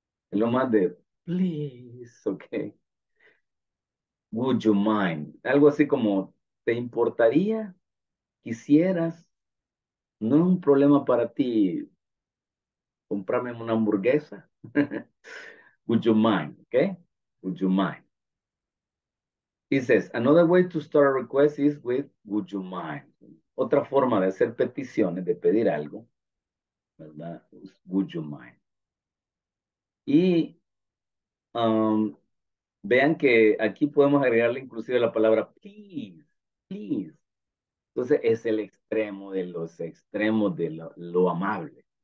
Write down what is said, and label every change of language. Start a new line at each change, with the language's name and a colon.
Spanish: Es lo más de
English: please, ok. Would you mind?
Spanish: Algo así como, ¿te importaría? ¿Quisieras? ¿No es un problema para ti comprarme una hamburguesa?
English: Would you mind? Ok. Would you mind? He says, another way to start a request is with would you mind?
Spanish: Otra forma de hacer peticiones, de pedir algo, ¿verdad?
English: Would you mind?
Spanish: Y vean que aquí podemos agregarle inclusive la palabra please, please. Entonces es el extremo de los extremos de lo amable.